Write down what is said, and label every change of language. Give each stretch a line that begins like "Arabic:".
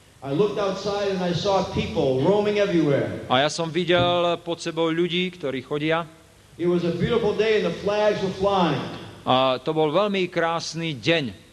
English: I looked outside and I saw people roaming everywhere.
Slovak: A ja som videl pod sebou ľudí, ktorí chodia.
English: It was a beautiful day and the flags were flying.
Slovak: A to bol veľmi krásny deň.